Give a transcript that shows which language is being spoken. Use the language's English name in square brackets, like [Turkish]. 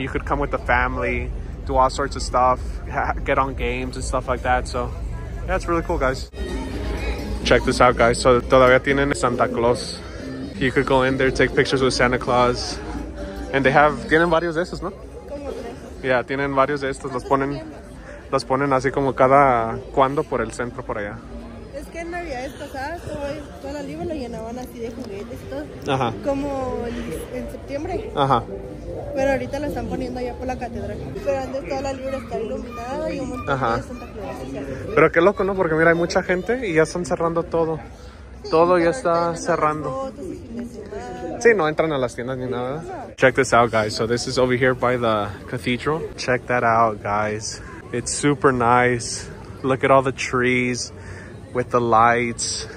[English] You could come with the family, do all sorts of stuff, get on games and stuff like that. So yeah, it's really cool, guys. Check this out, guys. [Spanish] So todavía tienen [English] Santa Claus. You could go in there, take pictures with Santa Claus. And they have, [Spanish] tienen varios de estos, ¿no? [English] Yeah, [Spanish] tienen varios de estos. Los ponen así como cada cuando por el centro por allá. Es que en Navidad es pasada, toda la libra lo llenaban así de juguetes y todo. Ajá. Como en septiembre. Ajá. Pero ahorita lo están poniendo allá por la catedral. Pero antes toda la libra está iluminada y un montón, ajá, de Santa Claus. Ya. Pero qué loco, ¿no? Porque mira, hay mucha gente y ya están cerrando todo. Todo ya está cerrando. Sí, no entran a las tiendas ni nada. [English] Check this out, guys. So this is over here by the cathedral. Check that out, guys. It's super nice. Look at all the trees with the lights.